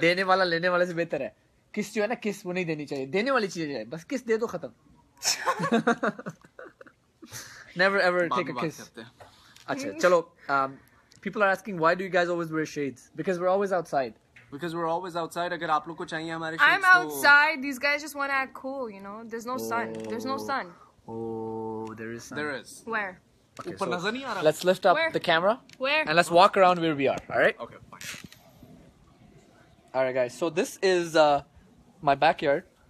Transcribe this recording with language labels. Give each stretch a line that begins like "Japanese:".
Hindi: देने वाला लेने वाले से बेहतर है. किस जो है ना किस वो नहीं देनी चाहिए देने वाली चीज है बस किस दे दो खत्म.
English: Never ever take a kiss.
Hindi: अच्छा चलो
English: people are asking why do you guys always wear shades because we're always outside
Hindi: अगर आप लोग को चाहिए हमारे shades
English: I'm outside these guys just want to act cool you know there's no sun there is where
Hindi: ऊपर नजर नहीं आ रहा.
English: Let's lift up where? The camera where and let's walk around where we are. All right, okay, fine. All right guys, so this is my backyard.